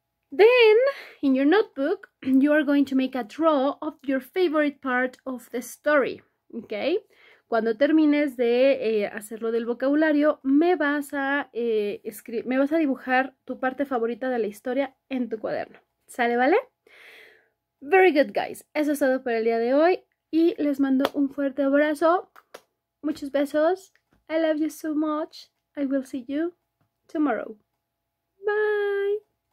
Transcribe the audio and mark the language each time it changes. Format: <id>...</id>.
<en>Then, in your notebook, you are going to make a draw of your favorite part of the story, ¿ok?</en> <es>Cuando termines de hacerlo del vocabulario, me vas a dibujar tu parte favorita de la historia en tu cuaderno. ¿Sale, vale?</es> <en>Very good, guys.</en> <es>Eso es todo por el día de hoy. Y les mando un fuerte abrazo. Muchos besos.</es> <en>I love you so much. I will see you tomorrow. Bye.</en>